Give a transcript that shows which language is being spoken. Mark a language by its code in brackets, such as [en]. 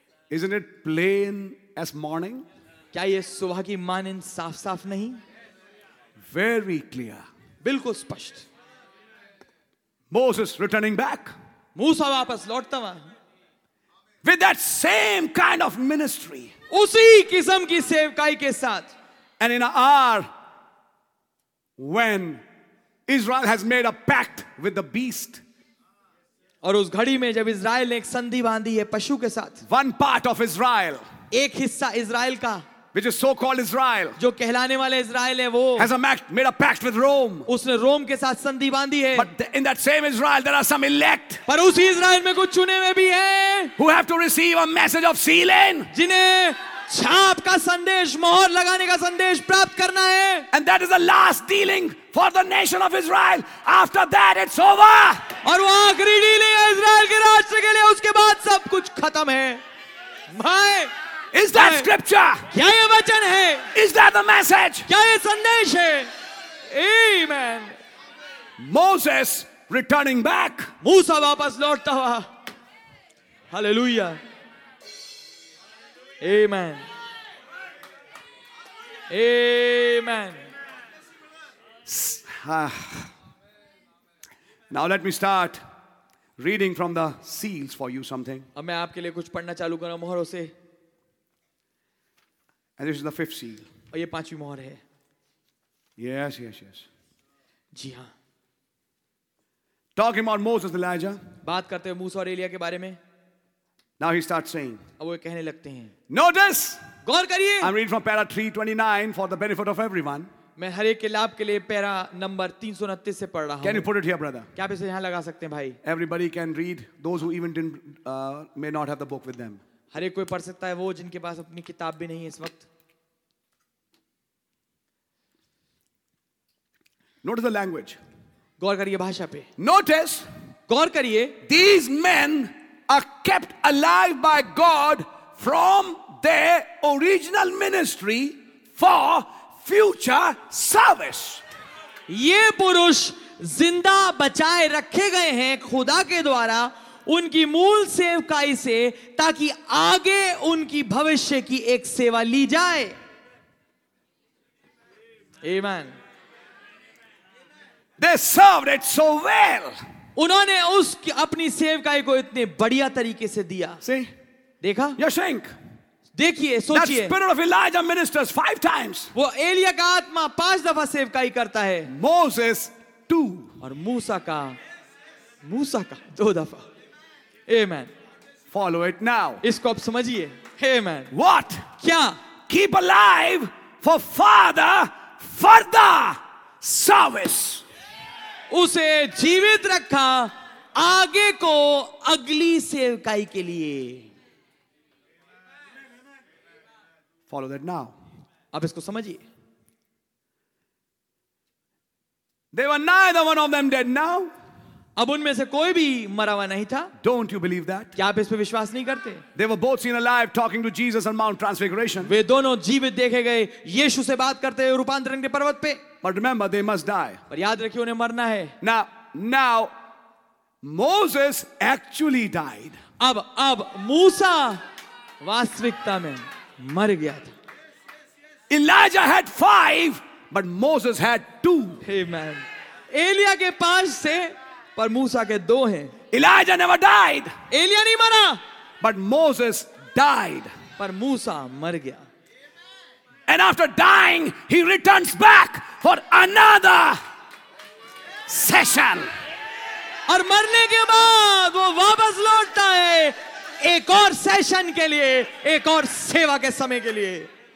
[en] Isn't it plain as morning? [hi] क्या ये सुबह की मानिन साफ साफ नहीं? [en] Very clear. [hi] बिल्कुल स्पष्ट. [en] Moses returning back. [hi] मूसा वापस लौटता हुआ. [en] With that same kind of ministry. [hi] उसी किस्म की सेवकाई के साथ. [en] And in our when Israel has made a pact with the beast. [hi] और उस घड़ी में जब इज़राइल ने एक संधि बांधी है पशु के साथ. [en] One part of Israel. [hi] एक हिस्सा इज़राइल का. [en] Which is so-called Israel. [hi] जो कहलाने वाले इज़राइल है वो. [en] Has made a pact with Rome. [hi] उसने रोम के साथ संधि बांधी है. [en] But in that same Israel there are some elect. [hi] पर उसी इज़राइल में कुछ चुने हुए भी हैं. [en] Who have to receive a message of sealing. [hi] जिन्हें छाप का संदेश मोहर लगाने का संदेश प्राप्त करना है. [en] And that is the last dealing for the nation of Israel. After that it's over. [hi] और वो आखिरी डीलिंग है इज़राइल के राष्ट्र के लिए. उसके बाद सब कुछ खत्म है. My, [en] is that my, scripture? [hi] क्या ये वचन है? [en] Is that the message? [hi] क्या ये संदेश है? Amen. [en] Moses returning back. [hi] मूसा वापस लौटता हुआ. Hallelujah. [en] Amen. Amen. Now let me start reading from the seals for you something. [hi] अब मैं आपके लिए कुछ पढ़ना चालू करूँ मोहरों से. [en] And this is the fifth seal. [hi] और ये पांचवी मोहर है. [en] Yes, yes, yes. [hi] जी हाँ. [en] Talking about Moses, Elijah. [hi] बात करते हैं मूसा और एलिया के बारे में. [en] Now he starts saying. [hi] अब वो कहने लगते हैं. [en] Notice. [hi] गौर करिए. [en] I'm reading from para 329 for the benefit of everyone. [hi] मैं हर एक के लाभ के लिए पैरा नंबर 329 से पढ़ रहा हूँ. [en] Can you put it here, brother? [hi] क्या आप इसे यहाँ लगा सकते हैं भाई? [en] Everybody can read. Those who even didn't may not have the book with them. [hi] हर एक कोई पढ़ सकता है वो जिनके पास अपनी किताब भी नहीं है इस वक्त. [en] Notice the language. [hi] गौर करिए भाषा पे. [en] Notice. [hi] गौर करिए. [en] These men are kept alive by God from their original ministry for future service. [hi] ये पुरुष जिंदा बचाए रखे गए हैं खुदा के द्वारा उनकी मूल सेवकाई से ताकि आगे उनकी भविष्य की एक सेवा ली जाए. [en] Amen. They served it so well. [hi] उन्होंने उस अपनी सेवकाई को इतने बढ़िया तरीके से दिया. [en] See? [hi] देखा? Yashank. देखिए सोचिए. [en] The spirit of Elijah ministers 5 times. [hi] वो एलिया का आत्मा 5 दफा सेवकाई करता है. [en] Moses 2. [hi] और मूसा का 2 दफा. Amen. [en] Follow it now. [hi] इसको आप समझिए. Amen. [en] What? [hi] क्या? [en] Keep alive for further service. [hi] उसे जीवित रखा आगे को अगली सेवकाई के लिए. [en] Follow that now. [hi] अब इसको समझिए. [en] They were neither one of them dead now. [hi] अब उनमें से कोई भी मरा हुआ नहीं था. [en] Don't you believe that? [hi] क्या आप इस पे विश्वास नहीं करते? [en] They were both seen alive talking to Jesus on Mount Transfiguration. [hi] वे दोनों जीवित देखे गए यीशु से बात करते हुए रूपांतरण के पर्वत पे. [en] But remember, they must die. [hi] पर याद रखिए उन्हें मरना है. [en] Now Moses actually died. [hi] अब मूसा वास्तविकता में मर गया था. [en] Elijah had 5, but Moses had 2. Amen. [hi] Elia के 5 थे पर मूसा के 2 हैं. [en] Elijah never died. [hi] एलिया नहीं मरा. [en] But Moses died. [hi] पर मूसा मर गया. [en] And after dying, he returns back for another session. [hi] और मरने के बाद वो वापस लौटता है एक और सेशन के लिए, एक और सेवा के समय के लिए.